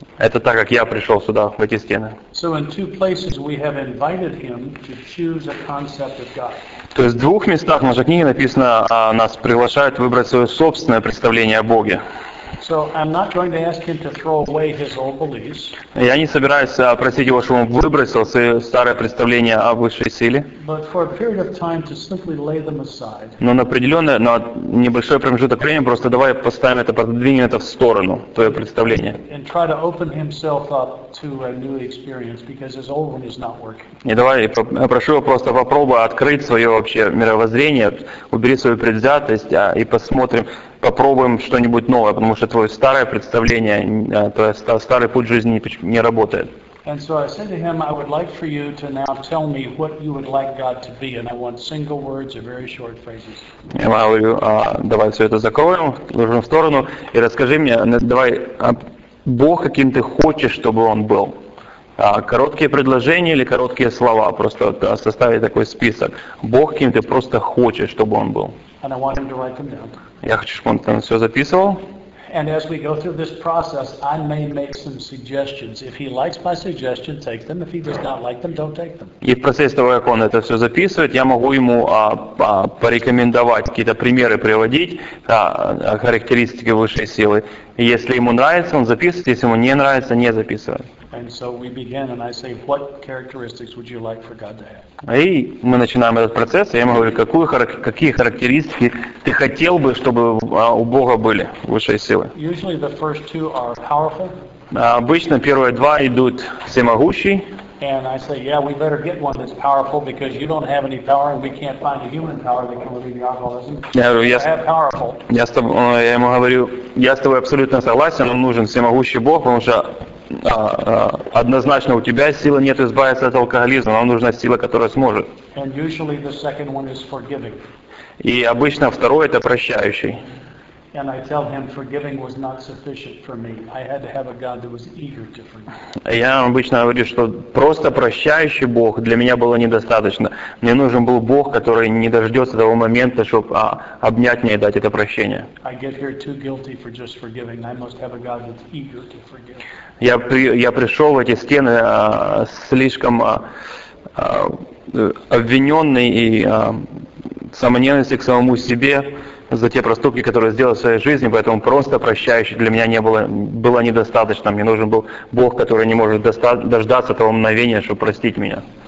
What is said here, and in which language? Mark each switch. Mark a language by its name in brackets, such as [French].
[Russian] Это так, как я пришел сюда, в эти стены. [English] So in two places we have invited him to choose a concept of God. [Russian] То есть в двух местах в нашей книге написано, нас приглашают выбрать свое собственное представление о Боге. [English] So I'm not going to ask him to throw away his old beliefs. [Russian] Я не собираюсь просить его, чтобы он выбросил свое старое представление о высшей силе. [English] But for a period of time to simply lay them aside. [Russian] Но на определенное, на небольшой промежуток времени просто давай поставим это, продвинем это в сторону, твое представление. [English] And try to open himself up to a new experience because his old one is not working. [Russian] И давай, я прошу его просто попробовать открыть свое вообще мировоззрение, убери свою предвзятость и посмотрим. Попробуем что-нибудь новое, потому что твое старое представление, твой старый путь жизни не работает. [English] And so I said to him, I would like for you to now tell me what you would like God to be, and I want single words or very short phrases. [Russian] Я говорю, давай все это закроем, ложим в сторону, и расскажи мне, давай, Бог, каким ты хочешь, чтобы он был. Короткие предложения или короткие слова, просто составить такой список. Бог, каким ты просто хочешь, чтобы он был. [English] And I want him to write them down. [Russian] Я хочу, чтобы он там все записывал. [English] And as we go through this process, I may make some suggestions. If he likes my suggestion, take them. If he does not like them, don't take them. [Russian] И в процессе того, как он это все записывает, я могу ему порекомендовать какие-то примеры приводить, характеристики высшей силы. Если ему нравится, он записывает. Если ему не нравится, не записывает. [English] And so we begin, and I say, what characteristics would you like for God to have? [Russian] И мы начинаем этот процесс, и я ему говорю, какие характеристики ты хотел бы, чтобы у Бога были высшие силы. [English] Usually the first two are powerful. [Russian] Обычно первые два идут всемогущий. [English] And I say, yeah, we better get one that's powerful because you don't have any power, and we can't find a human power that can relieve your alcoholism. [Russian] Я говорю, [English] powerful. [Russian] Я ему говорю, я с тобой абсолютно согласен, нам нужен всемогущий Бог, потому что однозначно у тебя силы нет избавиться от алкоголизма, нам нужна сила, которая сможет. [English] And usually the second one is forgiving. [Russian] И обычно второй это прощающий. [English] And I tell him forgiving was not sufficient for me. I had to have a God that was eager to forgive. [Russian] Я обычно говорю, что просто прощающий Бог для меня было недостаточно. Мне нужен был Бог, который не дождется того момента, чтобы обнять меня и дать это прощение. [English] I get here too guilty for just forgiving. I must have a God that's eager to forgive. [Russian] Я пришел в эти стены слишком обвиненный и самоненависти к самому себе за те проступки, которые сделал в своей жизни, поэтому просто прощающий для меня не было, было недостаточно. Мне нужен был Бог, который не может дождаться того мгновения, чтобы простить меня.